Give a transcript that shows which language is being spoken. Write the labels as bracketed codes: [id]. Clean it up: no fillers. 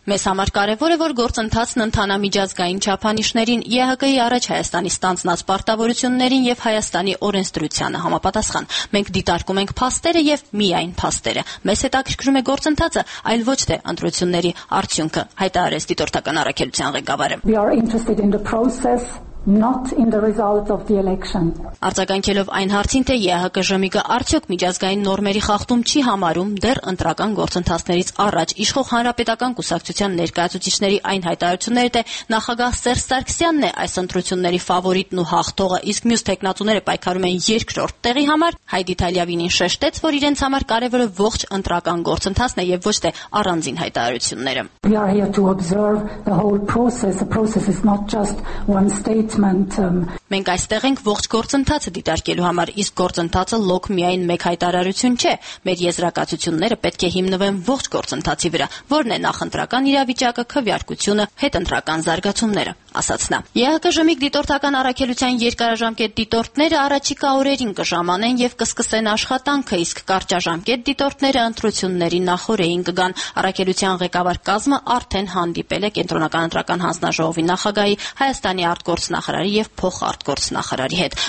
[hy] Մեզ համար կարևոր է, որ գործընթացն ընթանա միջազգային չափանիշներին, ԵՀԿ-ի առաջ Հայաստանի ստանձնած պարտավորություններին և Հայաստանի օրենսդրությանը համապատասխան։ Մենք դիտարկում ենք փաստերը և միայն փաստերը։ Մեզ հետաքրքրում է գործընթացը, այլ ոչ թե ընտրությունների արդյունքը, հայտարարեց դիտորդական առաքելության ղեկավարը։ [en] We are interested in the process, not in the results of the election. [hy] Արձագանքելով այն հարցին, թե ԵՀԿ-ի արդյոք միջազգային նորմերի խախտում չի համարում դեռ ընտրական գործընթացներից առաջ իշխող հանրապետական կուսակցության ներկայացուցիչների այն հայտարարությունները, թե նախագահ Սերժ Սարգսյանն է այս ընտրությունների ֆավորիտն ու հաղթողը, իսկ մյուս տեխնատուները պայքարում են երկրորդ տեղի համար, Հայդի Թալյավինին շեշտեց, որ իրենց համար կարևորը ողջ ընտրական գործընթացն է և ոչ թե առանձին հայտարարությունները։ [en] We are here to observe the whole process. The process is not just one state. [hy] Մենք այստեղ ենք ողջ գործընթացը դիտարկելու համար, իսկ գործընթացը լոկ միայն մեկ հայտարարություն չէ։ Մեր եզրակացությունները պետք է հիմնվեն ողջ գործընթացի վրա, որն է նախընտրական իրավիճակը, քվեարկությունը, հետընտրական զարգացումները, ասաց նա։ ԵՀԿ-ի դիտորդական առաքելության երկարաժամկետ դիտորդները առաջիկա օրերին կժամանեն և կսկսեն աշխատանքը, իսկ կարճաժամկետ դիտորդները ընտրությունների նախօրեին կգան։ Առաքելության ղեկավար կազմը արդեն հանդիպել է կենտրոնական ընտրական հանձնաժողովի նախագահի, Հայաստանի արտգործնախարարի և փոխարտգործնախարարի հետ։